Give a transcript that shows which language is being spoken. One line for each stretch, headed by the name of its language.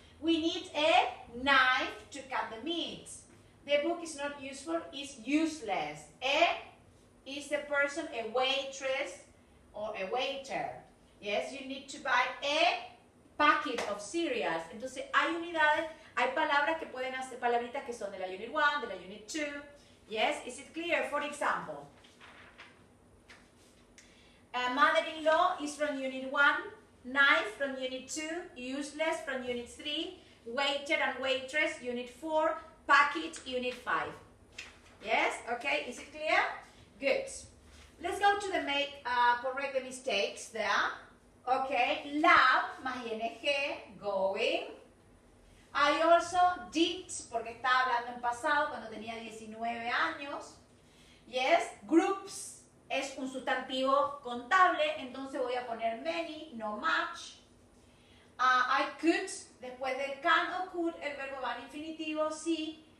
English: We need a knife to cut the meat. The book is not useful, it's useless. A is the person, a waitress or a waiter. Yes, you need to buy a packet of cereals.
Spanish: Entonces, hay unidades, hay palabras que pueden hacer, palabritas que son de la unit 1, de la unit 2.
English: Yes, is it clear? For example, a mother-in-law is from unit 1, knife from unit 2, useless from unit 3, waiter and waitress, unit 4, packet, unit 5. Yes, okay, is it clear? Good. Let's go to the make, correct the mistakes there. Okay, love, más ing, going. I also did,
Spanish: porque estaba hablando en pasado, cuando tenía 19 años. Yes, groups, es un sustantivo contable, entonces voy a poner many, no much.
English: I could,
Spanish: después del can o could, el verbo va en infinitivo, sí.